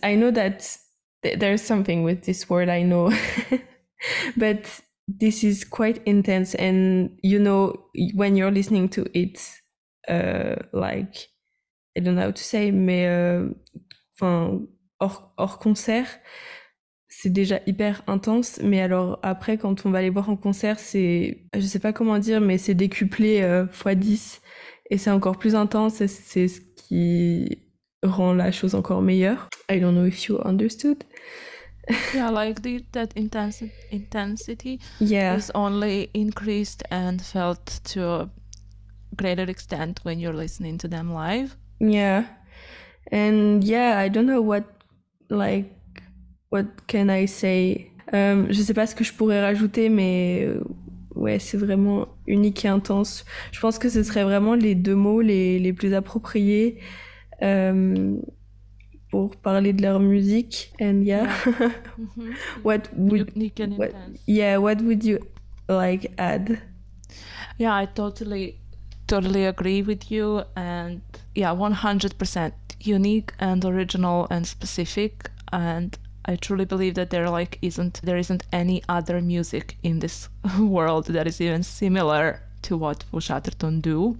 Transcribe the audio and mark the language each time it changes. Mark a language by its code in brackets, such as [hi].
[en] I know that there's something with this word, I know, but this is quite intense. And you know, when you're listening to it, like, I don't know how to say, [fr] mais hors concert, c'est déjà hyper intense. Mais alors après, quand on va les voir en concert, c'est, je sais pas comment dire, mais c'est décuplé x10, et c'est encore plus intense, et c'est ce qui rend la chose encore meilleure. [en] I don't know if you understood. Yeah, like the, that intensity yeah. is only increased and felt to a greater extent when you're listening to them live. Yeah. And yeah, I don't know what, like, what can I say? [fr] Je sais pas ce que je pourrais rajouter, mais ouais, c'est vraiment unique et intense. Je pense que ce serait vraiment les deux mots les plus appropriés pour parler de leur musique. [en] And yeah, what would unique and what, intense. Yeah, what would you like add? Yeah, I totally agree with you, and yeah, 100% unique and original and specific. And I truly believe that there like isn't any other music in this world that is even similar to what Fu Chatterton do.